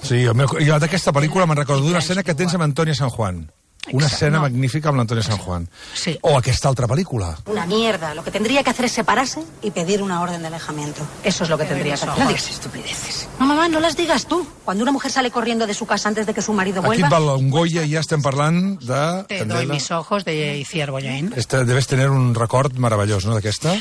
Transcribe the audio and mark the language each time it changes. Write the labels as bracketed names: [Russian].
[Spanish] Sí, yo de esta película me recuerdo una escena que [Catalan] tens amb [Spanish] Antonia San Juan. [Catalan] Una escena magnífica amb l'Antonia San Juan. Sí. O aquesta altra pel·lícula. [Spanish] Una mierda. Lo que tendría que hacer es separarse y pedir una orden de alejamiento. Eso es lo que tendría que hacer. No digas estupideces. No, mamá, no las digas tú. Cuando una mujer sale corriendo de su casa antes de que su marido vuelva... [Catalan] Aquí val un Goya i ja estem parlant de... [Spanish] Te doy mis ojos de Icíar Bollaín. Debes tener un record maravilloso, ¿no?, [Catalan] d'aquesta.